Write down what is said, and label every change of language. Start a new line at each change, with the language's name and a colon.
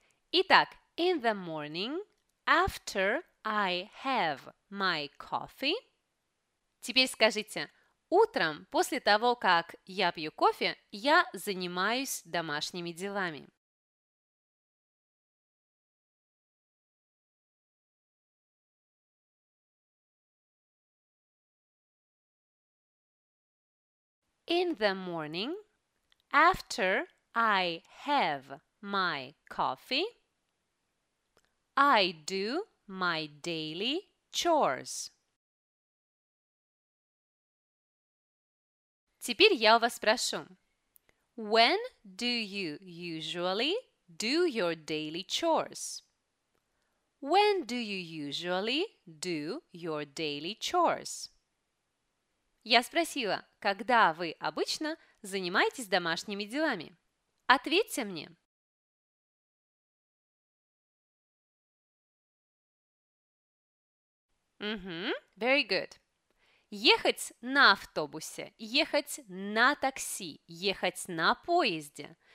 English: Итак, in the morning, after I have my coffee.
Russian: Теперь скажите, утром, после того, как я пью кофе, я занимаюсь домашними делами.
English: In the morning, after I have my coffee, I do my daily chores.
Russian: Теперь я у вас спрошу.
English: When do you usually do your daily chores? When do you usually do your daily chores?
Russian: Я спросила, когда вы обычно занимаетесь домашними делами? Ответьте мне.
English: Very good.
Russian: Ехать на автобусе, ехать на такси, ехать на поезде.